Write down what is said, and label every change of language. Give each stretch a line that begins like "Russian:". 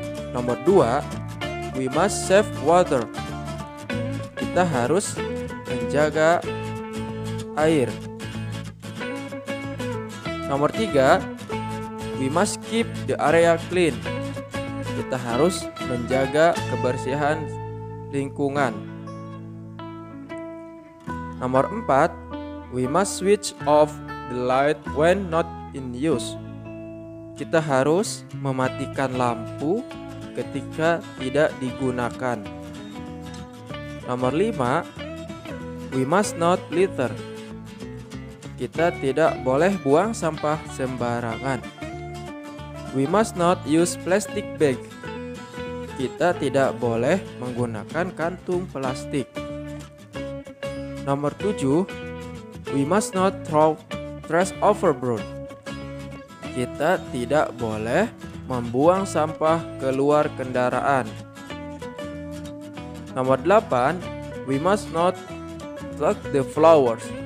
Indonesian: Nomor 2,
English: we must save water.
Indonesian: Kita harus menjaga air.
English: Nomor 3, we must keep the area clean.
Indonesian: Kita harus menjaga kebersihan lingkungan.
English: Nomor 4, we must switch off the light when not in use.
Indonesian: Kita harus mematikan lampu ketika tidak digunakan.
English: Nomor 5, we must not litter.
Indonesian: Kita tidak boleh buang sampah sembarangan.
English: We must not use plastic bag.
Indonesian: Kita tidak boleh menggunakan kantung plastik.
English: Nomor 7, we must not throw trash overboard.
Indonesian: Kita tidak boleh membuang sampah keluar kendaraan.
English: Nomor 8, we must not pluck the flowers.